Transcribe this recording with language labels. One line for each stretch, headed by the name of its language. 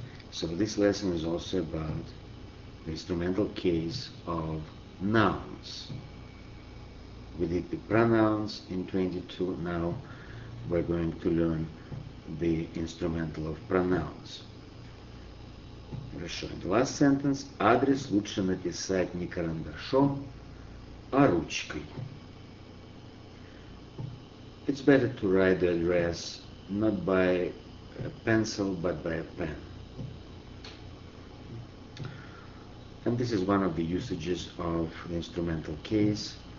English: So this lesson is also about the instrumental case of nouns. We did the pronouns in 22, now we're going to learn the instrumental of pronouns.
Russian: Хорошо,
English: the last sentence.
Russian: Адрес лучше написать не карандашом, а ручкой.
English: It's better to write the address not by a pencil, but by a pen. And this is one of the usages of the instrumental case.